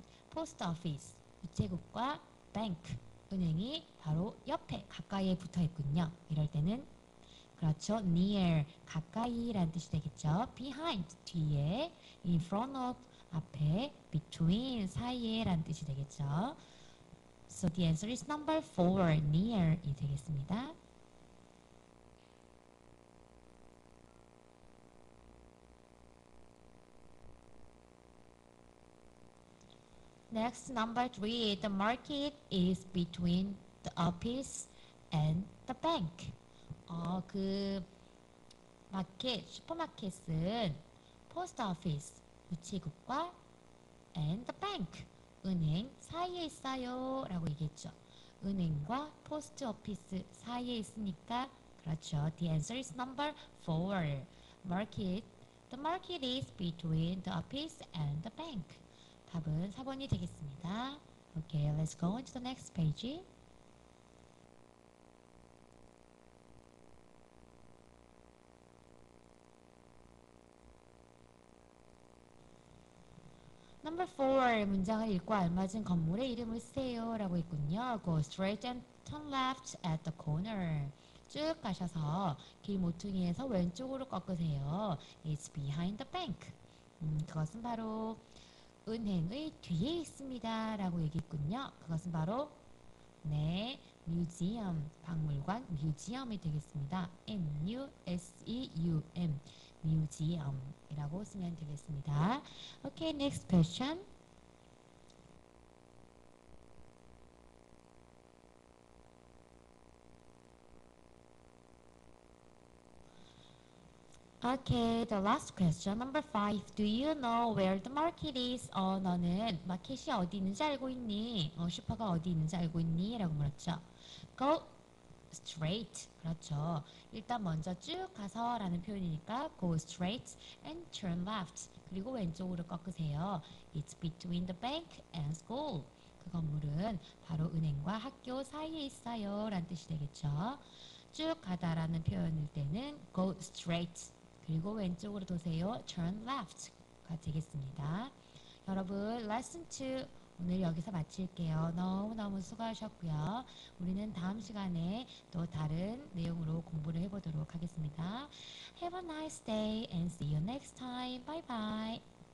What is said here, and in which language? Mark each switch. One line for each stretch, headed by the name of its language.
English: Post office,
Korean: 우체국과 bank, 은행이 바로 옆에 가까이에 붙어 있군요. 이럴 때는 그렇죠.
English: Near,
Korean: 가까이 라는 뜻이 되겠죠.
English: Behind,
Korean: 뒤에,
English: in front of,
Korean: 앞에,
English: between,
Korean: 사이에 라는 뜻이 되겠죠.
English: So the answer is number four, near
Korean: 이 되겠습니다.
English: Next, number three, the market is between the office and the bank.
Korean: 그 마켓, 슈퍼마켓은
English: post office,
Korean: 우체국과
English: and the bank,
Korean: 은행 사이에 있어요 라고 얘기했죠. 은행과 post office 사이에 있으니까 그렇죠.
English: The answer is number four. Market, the market is between the office and the bank.
Korean: 답은 4번이 되겠습니다.
English: Okay, let's go on to the next page. Number 4,
Korean: 문장을 읽고 알맞은 건물의 이름을 쓰세요 라고 했군요.
English: Go straight and turn left at the corner.
Korean: 쭉 가셔서 길 모퉁이에서 왼쪽으로 꺾으세요.
English: It's behind the bank.
Korean: 그것은 바로 은행의 뒤에 있습니다 라고 얘기했군요. 그것은 바로 네, 뮤지엄, 박물관 뮤지엄이 되겠습니다. M-U-S-E-U-M, 뮤지엄이라고 쓰면 되겠습니다.
English: Okay, next question. Okay, the last question, number five. Do you know where the market is?
Korean: 너는 마켓이 어디 있는지 알고 있니? 슈퍼가 어디 있는지 알고 있니? 라고 물었죠.
English: Go straight.
Korean: 그렇죠. 일단 먼저 쭉 가서라는 표현이니까
English: go straight and turn left.
Korean: 그리고 왼쪽으로 꺾으세요.
English: It's between the bank and school.
Korean: 그 건물은 바로 은행과 학교 사이에 있어요. 라는 뜻이 되겠죠. 쭉 가다라는 표현일 때는
English: go straight.
Korean: 그리고 왼쪽으로 도세요.
English: Turn left
Korean: 가 되겠습니다. 여러분,
English: lesson 2
Korean: 오늘 여기서 마칠게요. 너무너무 수고하셨고요. 우리는 다음 시간에 또 다른 내용으로 공부를 해보도록 하겠습니다.
English: Have a nice day and see you next time. Bye bye.